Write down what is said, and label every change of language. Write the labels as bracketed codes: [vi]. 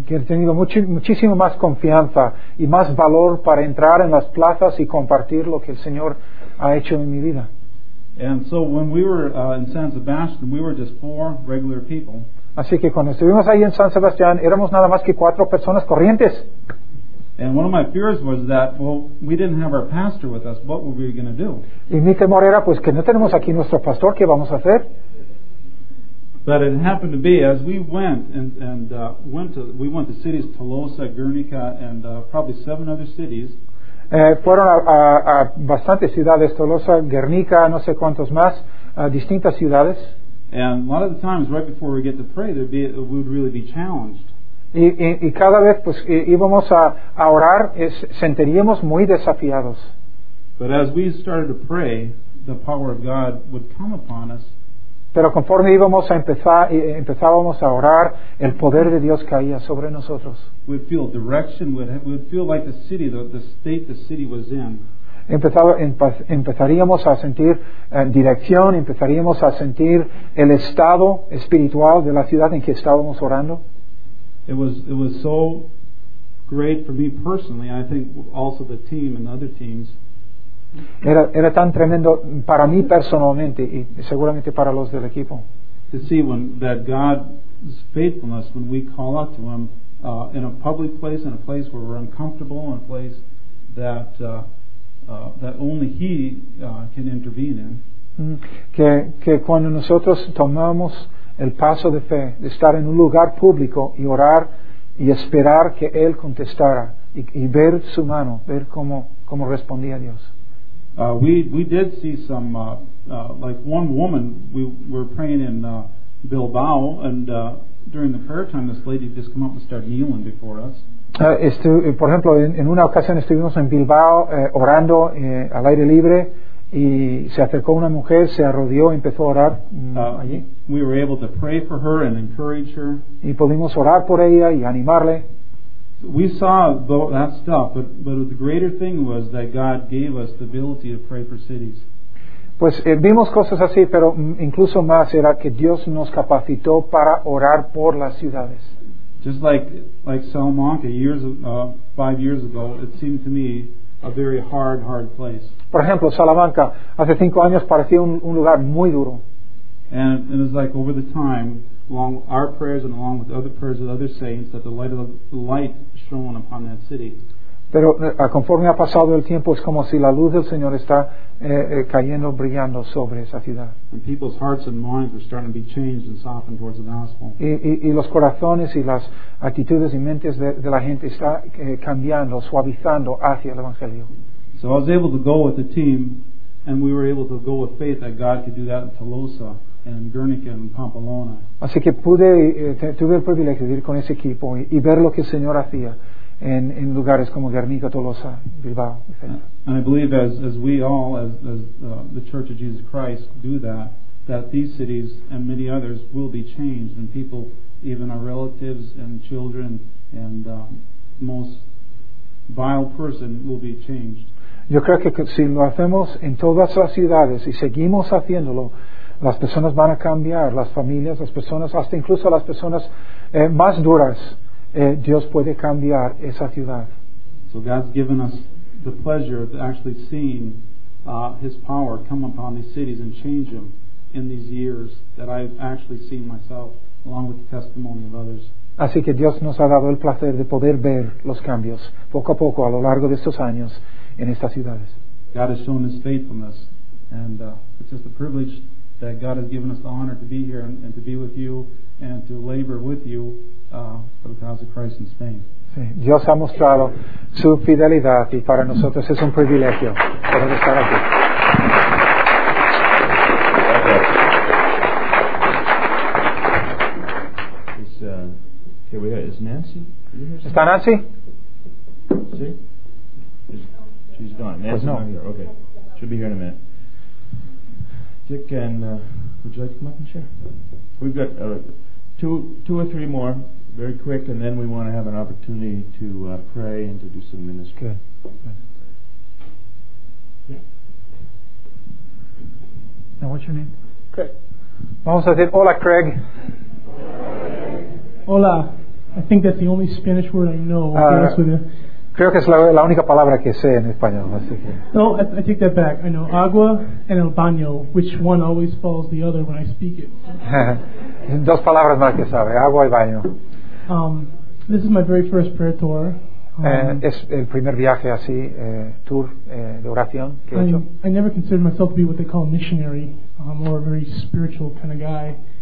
[es] Que he tenido muchísimo más confianza y más valor para entrar en las plazas y compartir lo que el Señor ha hecho en mi vida. [en] And so when we were in San Sebastian, we were just four regular people. [es] Así que cuando estuvimos ahí en San Sebastián, éramos nada más que cuatro personas corrientes. [en] And one of my fears was that, well, we didn't have our pastor with us. What were we going to do? [es] Y mi temor era, pues, que no tenemos aquí nuestro pastor. ¿Qué vamos a hacer? [en] But it happened to be as we went and went to cities, Tolosa, Guernica, and probably seven other cities. [es] Fueron a bastantes ciudades, Tolosa, Guernica, no sé cuántos más, distintas ciudades. [en] And a lot of the times, right before we get to pray, we would really be challenged. [es] Y cada vez pues íbamos a orar sentiríamos muy desafiados. [en] But as we started to pray, the power of God would come upon us. [es] Pero conforme íbamos a empezar empezábamos a orar, el poder de Dios caía sobre nosotros. [en] We'd feel direction. We'd feel like the city, the state the city was in. [es] Empezaríamos a sentir dirección. Empezaríamos a sentir el estado espiritual de la ciudad en que estábamos orando. [en] It was so great for me personally, and I think also the team and other teams. [es] Era tan tremendo para mí personalmente y seguramente para los del equipo. [en] To see when that God's faithfulness when we call out to Him in a public place, in a place where we're uncomfortable, in a place that that only He can intervene in. [es] Que cuando nosotros tomamos el paso de fe de estar en un lugar público y orar y esperar que Él contestara y ver su mano, ver cómo respondía Dios. [en] We did see some like one woman. We were praying in Bilbao, and during the prayer time this lady just come up and started kneeling before us. [es] Por ejemplo, en una ocasión estuvimos en Bilbao orando al aire libre y se acercó una mujer, se arrodilló y empezó a orar allí. [en] We were able to pray for her and encourage her. [es] Y pudimos orar por ella y animarle. [en] We saw that stuff, but the greater thing was that God gave us the ability to pray for cities. [es] Pues vimos cosas así, pero incluso más era que Dios nos capacitó para orar por las ciudades. [en] Just like Salamanca, five years ago, it seemed to me a very hard place. [es] Por ejemplo, Salamanca hace 5 años parecía un lugar muy duro. [en] And it's like over the time, along our prayers and along with other prayers of other saints, that the light shone upon that city. [es] Pero conforme ha pasado el tiempo, es como si la luz del Señor está cayendo, brillando sobre esa ciudad. [en] And people's hearts and minds are starting to be changed and softened towards the gospel. [es] Y los corazones y las actitudes y mentes de la gente está cambiando, suavizando hacia el evangelio. [en] So I was able to go with the team, and we were able to go with faith that God could do that in Tolosa and Guernica and Pamplona. [es] Así que pude tuve el privilegio de ir con ese equipo y ver lo que el Señor hacía en lugares como Guernica, Tolosa, Bilbao, etc. [en] And I believe as we all, as the Church of Jesus Christ do that these cities and many others will be changed, and people, even our relatives and children and most vile person, will be changed. [es] Yo creo que si lo hacemos en todas las ciudades y seguimos haciéndolo, las personas van a cambiar, las familias, las personas, hasta incluso las personas más duras. Dios puede cambiar esa ciudad. [en] So God's given us the pleasure of actually seeing His power come upon these cities and change them in these years that I've actually seen myself, along with the testimony of others. [es] Así que Dios nos ha dado el placer de poder ver los cambios poco a poco a lo largo de estos años en estas ciudades. [en] God has shown His faithfulness, and it's just a privilege that God has given us the honor to be here and to be with you and to labor with you for the cause of Christ in Spain. [es] Sí. Dios ha mostrado su fidelidad y para nosotros es un privilegio poder estar aquí. [en] Is Nancy? [es] ¿Está Nancy? [en] Sí. She's gone. Nancy's not here. Okay. She'll be here in a minute. Dick, and would you like to come up and share? We've got two or three more, very quick, and then we want to have an opportunity to pray and to do some ministry. Good. Now, what's your name? Craig. [es] Vamos a decir hola, Craig. Hola. [en] I think that's the only Spanish word I know, to be honest with you. [es] Creo que es la única palabra que sé en español, así que... [en] No, I take that back. I know agua and el baño, which one always follows the other when I speak it. [es] Dos palabras más que sabe, agua y baño. [en] This is my very first prayer tour. [es] Es el primer viaje así, tour de oración que he hecho. [en] I never considered myself to be what they call a missionary, or a very spiritual kind of guy.